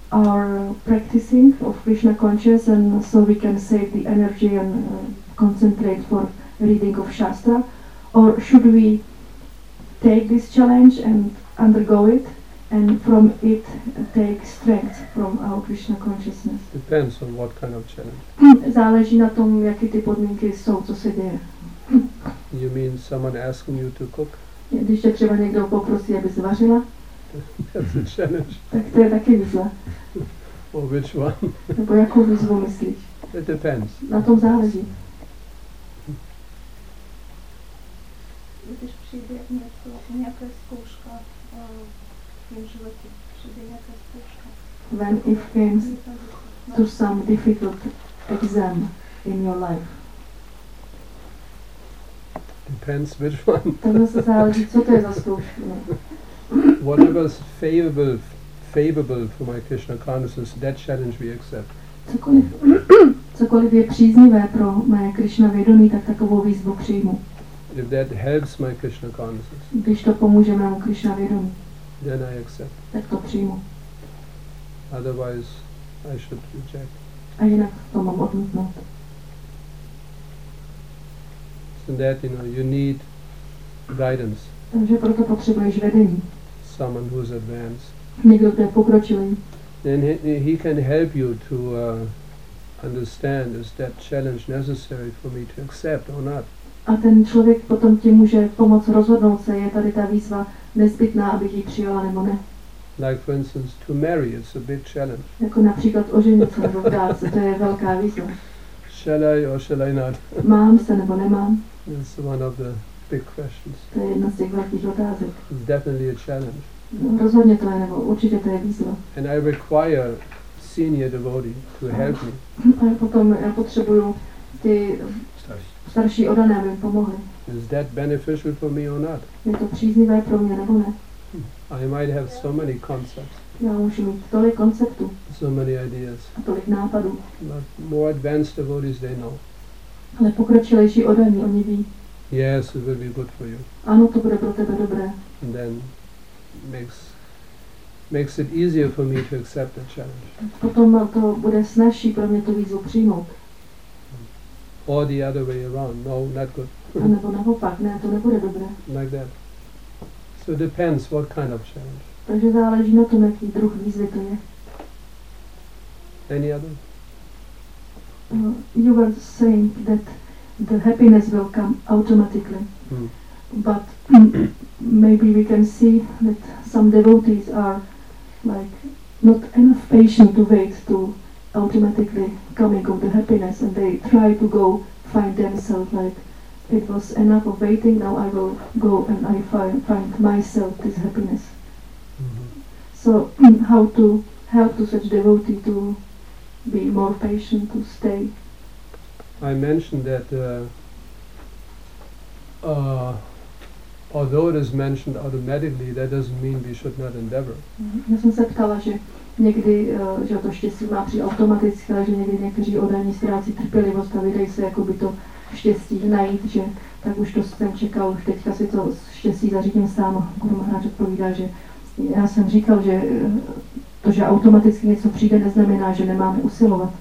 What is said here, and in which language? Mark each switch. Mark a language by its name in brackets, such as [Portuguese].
[English] our practicing of Krishna consciousness, and so we can save the energy and concentrate for reading of Shastra? Or should we take this challenge and undergo it, and from it take strength from our Krishna consciousness? Depends on what kind of challenge. [Czech] Záleží na tom, jaké ty podmínky jsou, co se děje. [English] You mean someone asking you to cook? [Czech] Když tě třeba někdo poprosí, aby jsi vařila? [English] That's a challenge. [Czech] Tak to je taky výzva. [English] Or which one? [Czech] Nebo jakou výzvu myslíš? [English] It depends. [Czech] Na tom záleží. Když přijde nějaká zkouška v tom životě, přijde nějaká zkouška. [English] When it came to some difficult exam in your life. Depends which one. [Czech] Tohle se záleží, co to je za zkouška. [English] Whatever is favorable for my Krishna consciousness, that challenge we accept. [Czech] Cokoliv je příznivé pro mé Krishna vědomí, tak takovou výzvu přijmu. [English] If that helps my Krishna consciousness, [Czech] když to pomůže mému Krishna vědomí, [English] then I accept. [Czech] Tak to přijmu. [English] Otherwise, I should reject. [Czech] A jinak to mám odmítnout. [English] So that, you know, you need guidance. [Czech] Takže proto potřebuješ vedení. [English] Someone who's advanced. [Czech] Někdo, kdo je pokročilý. [English] Then he can help you to understand, is that challenge necessary for me to accept or not. [Czech] A ten člověk potom ti může pomoct rozhodnout se, je tady ta výzva nezbytná, abych ji přijala nebo ne. [English] Like for instance, to marry, it's a big challenge. [Czech] Jako například oženit se nebo vdát se, to je velká výzva. [English] Shall I or shall I not? [Czech] Mám se nebo nemám? [English] It's one of the big questions. [Czech] To je jedna z těch velkých otázek. [English] It's definitely a challenge. [Czech] No, rozhodně to je, nebo určitě to je výzva. [English] And I require senior devotee to help me. [Czech] A potom já potřebuju ty starší odané, aby mi pomohli. [English] Is that beneficial for me or not? [Czech] Je to příznivé pro mě nebo ne? [English] I might have so many concepts. [Czech] Já můžu mít tolik konceptů. [English] So many ideas. [Czech] A tolik nápadů. [English] But more advanced devotees, they know. [Czech] Ale pokročilejší odaní, oni ví. [English] Yes, it will be good for you. [Czech] Ano, to bude pro tebe dobré. [English] And then makes it easier for me to accept the challenge. [Czech] Potom to bude snazší pro mě tu výzvu přijmout. [English] Or the other way around. No, not good. [Czech] A nebo naopak, ne, to nebude dobré. [English] Like that. So it depends what kind of challenge. [Czech] Takže záleží na tom, jaký druh výzvy to je. [English] Any other? You were saying that the happiness will come automatically. But maybe we can see that some devotees are like not enough patient to wait to automatically coming of the happiness, and they try to go find themselves like, it was enough of waiting, now I will go and I find myself this happiness. So how to help to such devotee to be more patient, to stay? I mentioned that although it is mentioned automatically, that doesn't mean we should not endeavor. [Czech] Já jsem se ptala, že někdy, že to štěstí má přijít automaticky, ale že někdy někteří odaní ztrácí trpělivost a vydají se jakoby to štěstí najít, že tak už to jsem čekal, už teďka si to štěstí zařídím sám. Guru Maharaj odpovídá, že já jsem říkal, že to, že automaticky něco přijde, neznamená, že nemáme usilovat.